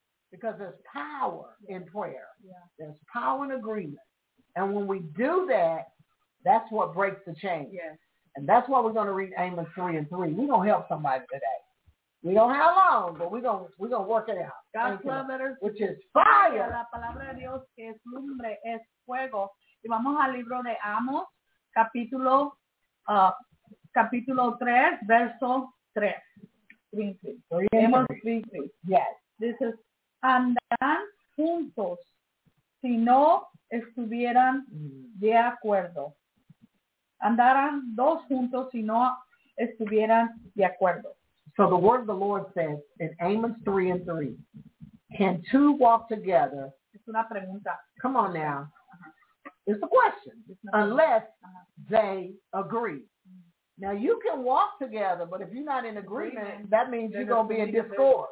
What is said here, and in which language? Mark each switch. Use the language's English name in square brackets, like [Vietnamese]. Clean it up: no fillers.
[English] Because there's power in prayer. There's power in agreement. And when we do that, that's what breaks the chain. And that's why we're going to read Amos 3 and 3. We're going to help somebody today. We don't have long, but we're gonna work it out. God's love letters, which is fire. [Spanish] La palabra de Dios que es lumbre es fuego. Y vamos al libro de Amos, capítulo 3, verso 3. [English] Yes. This is [Spanish] andarán juntos si no estuvieran de acuerdo. Andarán dos juntos si no estuvieran de acuerdo. [English] So the word of the Lord says in Amos 3 and 3, can two walk together? [Spanish] Es una pregunta. [English] Come on now. It's a question. Unless they agree. Now, you can walk together, but if you're not in agreement, that means you're going to be in discord.